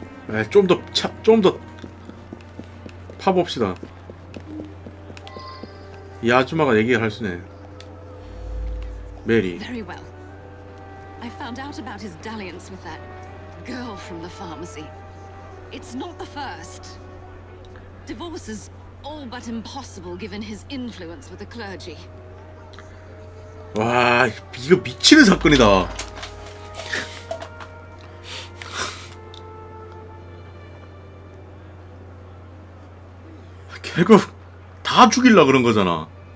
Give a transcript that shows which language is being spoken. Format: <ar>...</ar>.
<ko>에, 좀 더, 좀 더 파봅시다. 이 아줌마가 얘기를 할 수네. 메리.</ko> <en>I found out about his dalliance with that girl from the pharmacy. It's not the first. Divorce is all but impossible given his influence with the clergy.</en> <ko>와, 이거 미치는 사건이다. 결국 다 죽이려고 그런 거잖아.</ko>